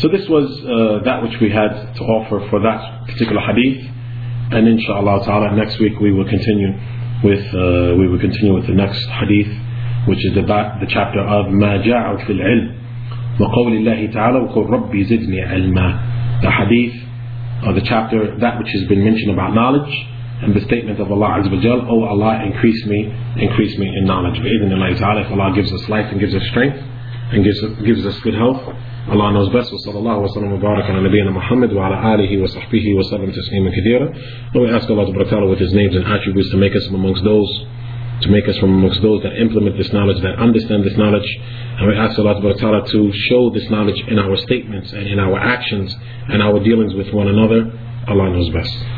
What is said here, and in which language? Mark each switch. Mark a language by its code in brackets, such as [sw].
[en] So this was that which we had to offer for that particular hadith, and inshallah ta'ala next week we will continue with the next hadith, which is about the chapter of [ar] ما جاء في العلم وقول الله تعالى وقول ربي زدني علما. [en] The hadith or the chapter that which has been mentioned about knowledge and the statement of Allah Azza wa Jal, O Allah, increase me in knowledge. [ar] بإذن الله تعالى, [en] if Allah gives us life and gives us strength and gives us good health, الله knows best. [ar] وصلى الله وسلم وبارك على نبينا محمد وعلى آله وصحبه وسلم تسليما كثيرا. [en] And we ask Allah [ar] تبارك وتعالى [en] with His names and attributes to make us from amongst those that implement this knowledge, that understand this knowledge. And we ask Allah [ar] تبارك وتعالى [en] to show this knowledge in our statements and in our actions and our dealings with one another. Allah knows best.